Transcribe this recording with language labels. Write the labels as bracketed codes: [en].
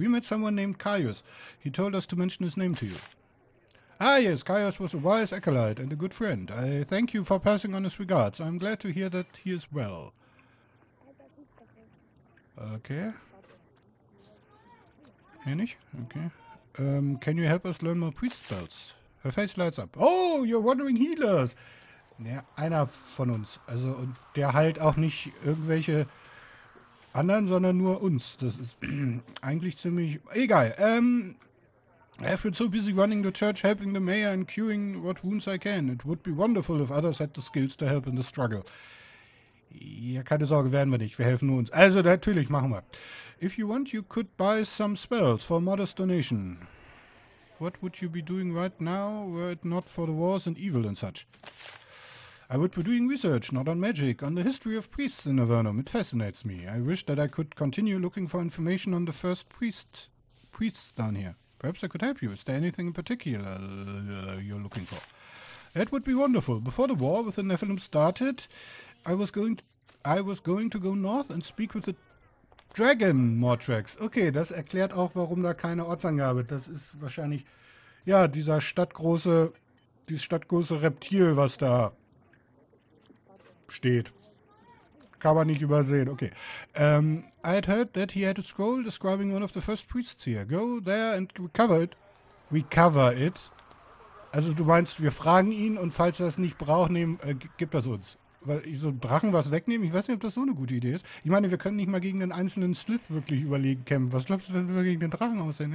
[en] We met someone named Caius. He told us to mention his name to you. Ah, yes, Caius was a wise acolyte and a good friend. I thank you for passing on his regards. I'm glad to hear that he is well. Okay. [de] Mehr nicht? [en] Okay. Can you help us learn more priest spells? Her face lights up. Oh, you're wandering healers! [de] Ja, einer von uns. Also, und der heilt auch nicht irgendwelche anderen, sondern nur uns. Das ist eigentlich ziemlich... Egal. [en] I have been so busy running the church, helping the mayor and curing what wounds I can. It would be wonderful if others had the skills to help in the struggle. [de] Ja, keine Sorge, werden wir nicht. Wir helfen nur uns. Also, natürlich, machen wir. [en] If you want, you could buy some spells for a modest donation. What would you be doing right now, were it not for the wars and evil and such? I would be doing research, not on magic, on the history of priests in Avernum. It fascinates me. I wish that I could continue looking for information on the first priests down here. Perhaps I could help you. Is there anything in particular you're looking for? That would be wonderful. Before the war with the Nephilim started, I was going to go north and speak with the Dragon Mortrex. [de] Okay, das erklärt auch, warum da keine Ortsangabe. Das ist wahrscheinlich, ja, dieses stadtgroße Reptil, was da steht. Kann man nicht übersehen. Okay. [en] I had heard that he had a scroll describing one of the first priests here. Go there and recover it. Recover it. [de] Also du meinst, wir fragen ihn und falls er es nicht braucht, gibt das uns. Weil ich so Drachen was wegnehmen, ich weiß nicht, ob das so eine gute Idee ist. Ich meine, wir können nicht mal gegen den einzelnen Slith wirklich überlegen kämpfen. Was glaubst du, wenn wir gegen den Drachen aussehen?